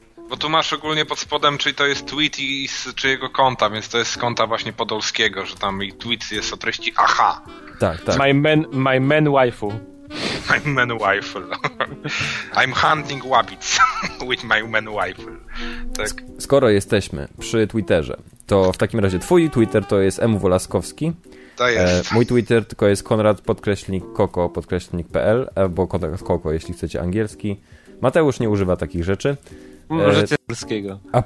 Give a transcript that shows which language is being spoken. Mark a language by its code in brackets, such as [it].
[pl] Bo tu masz ogólnie pod spodem, czyli to jest tweet i z czyjego konta, więc to jest z konta właśnie Podolskiego, że tam i tweet jest o treści aha. Tak. [en] My man waifu. My man waifu. I'm hunting rabbits with my man waifu. [pl] Tak. Skoro jesteśmy przy Twitterze, to w takim razie twój Twitter to jest MW Laskowski. To jest. Mój Twitter tylko jest konrad_koko_pl, bo kontakt koko, jeśli chcecie angielski. Mateusz nie używa takich rzeczy. Możecie polskiego.